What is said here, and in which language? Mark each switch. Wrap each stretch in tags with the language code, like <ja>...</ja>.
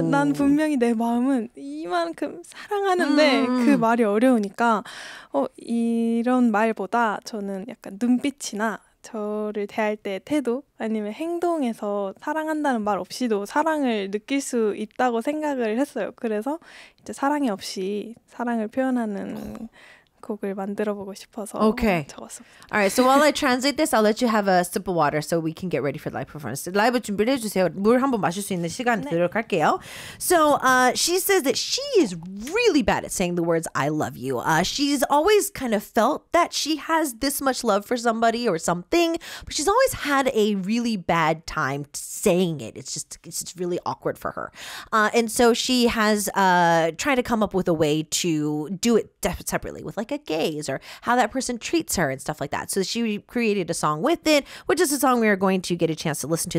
<ko>난 분명히 내 마음은 이만큼 사랑하는데 그 말이 어려우니까 이런 말보다 저는 약간 눈빛이나 저를 대할 때 태도 아니면 행동에서 사랑한다는 말 없이도 사랑을 느낄 수 있다고 생각을 했어요. 그래서 이제 사랑이 없이 사랑을 표현하는 곡을 만들어보고 싶어서</ko> <en>okay.</en> <ko>적었습니다.</ko> <en>All right, so while I translate this, I'll let you have a sip of water so we can get ready for the live performance.</en> <ko>라이브 준비를 해주세요. 물 한번 마실 수 있는 시간 드리도록 할게요.</ko> <en>So she says that she is really bad at saying the words I love you. She's always kind of felt that she has this much love for somebody or something, but she's always had a really bad time saying it. It's just really awkward for her. And so she has tried to come up with a way to do it separately with like a gaze or how that person treats her and stuff like that. So she created a song with it, which is a song we are going to get a chance to listen to.</en>